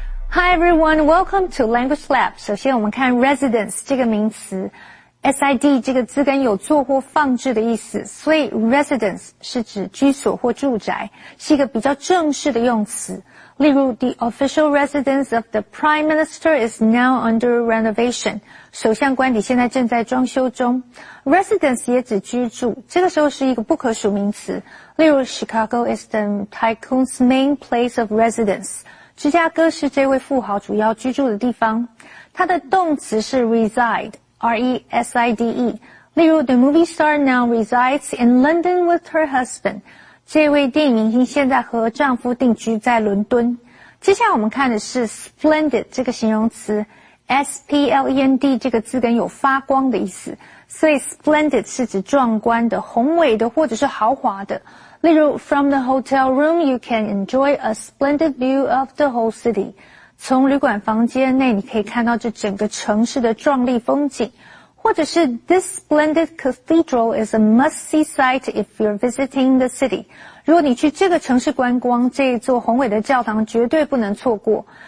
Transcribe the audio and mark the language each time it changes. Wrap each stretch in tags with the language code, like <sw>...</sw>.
<en>Hi everyone, welcome to Language Lab.</en> <zh>首先我们看 residence 这个名词， SID 这个字根有坐或放置的意思，所以 residence 是指居所或住宅，是一个比较正式的用词。例如</zh> <en>,the official residence of the prime minister is now under renovation.</en> <zh>首相官邸现在正在装修中。 Residence 也指居住，这个时候是一个不可数名词。例如</zh> <en>,Chicago is the tycoon's main place of residence.</en> <zh>芝加哥是这位富豪主要居住的地方。它的动词是 reside, R-E-S-I-D-E。例如</zh> <en>,the movie star now resides in London with her husband.</en> <zh>这位电影明星现在和丈夫定居在伦敦。接下来我们看的是 splendid 这个形容词。S-P-L-E-N-D 这个字根有发光的意思。所以 splendid 是指壮观的、宏伟的或者是豪华的。例如</zh> <en>,from the hotel room, you can enjoy a splendid view of the whole city.</en> <zh>从旅馆房间内你可以看到这整个城市的壮丽风景。或者是</zh> <en>,this splendid cathedral is a must-see sight if you're visiting the city.</en> <zh>如果你去这个城市观光，这座宏伟的教堂绝对不能错过。</zh>